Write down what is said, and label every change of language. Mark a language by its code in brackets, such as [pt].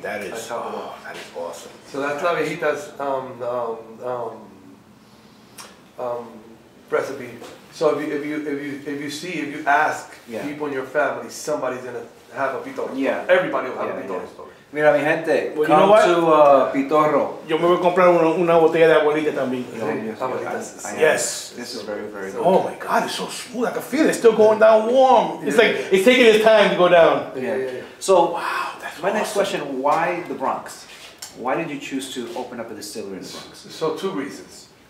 [en] That is. That is awesome. So that's La Viejita's recipe. So if you ask people in your family, somebody's gonna have a pitorro. Yeah. Everybody will have a pitorro story. [es] Mira mi gente, [en] come to [es] pitorro. Yo me voy a comprar una botella de abuelita también. [en] Yes. This is very, very good. Oh my god, it's so smooth. I can feel it. It's still going down warm. It's taking its time to go down. Yeah. So my next question, why the Bronx? Why did you choose to open up a distillery in the Bronx? So two reasons.